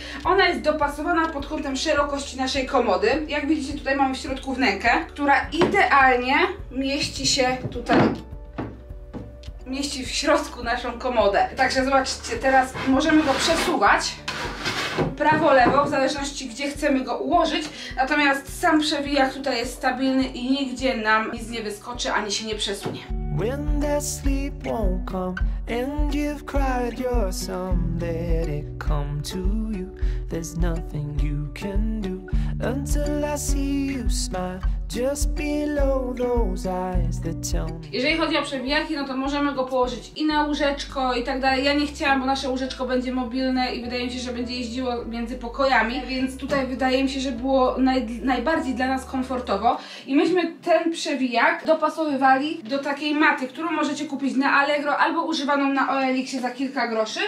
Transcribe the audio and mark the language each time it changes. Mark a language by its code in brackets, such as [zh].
[pl] Ona jest dopasowana pod kątem szerokości naszej komody. Jak widzicie, tutaj mamy w środku wnękę, która idealnie mieści się tutaj. Mieści w środku naszą komodę. Także zobaczcie, teraz możemy go przesuwać prawo, lewo, w zależności gdzie chcemy go ułożyć. Natomiast sam przewijak tutaj jest stabilny i nigdzie nam nic nie wyskoczy, ani się nie przesunie. [en] When that sleep won't come and you've cried your son, let it come to you. There's nothing you can do until I see you smile. Just below those eyes that tell me. [pl] Jeżeli chodzi o przewijaki, no to możemy go położyć i na łóżeczko i tak dalej. Ja nie chciałam, bo nasze łóżeczko będzie mobilne i wydaje mi się, że będzie jeździło między pokojami, więc tutaj wydaje mi się, że było najbardziej dla nas komfortowo. I myśmy ten przewijak dopasowywali do takiej maty, którą możecie kupić na Allegro albo używaną na OLX-ie za kilka groszy.